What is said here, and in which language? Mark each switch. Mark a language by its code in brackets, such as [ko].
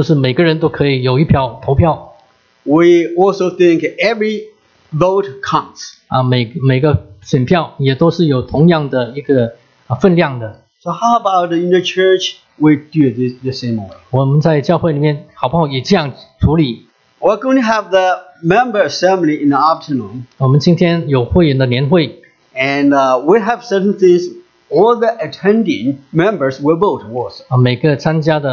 [zh] 民主其中一个就是每个人都可以有一票投票。 [en] We also think every vote counts. [zh] 每个选票也都是有同样的一个分量的。 [en] So how about in the church we do this the same way? [zh] 我们在教会里面好不好也这样处理? [en] We're going to have the member assembly in the afternoon. [zh] 我们今天有会员的年会。 [en] And we have certain things all the attending members will vote for.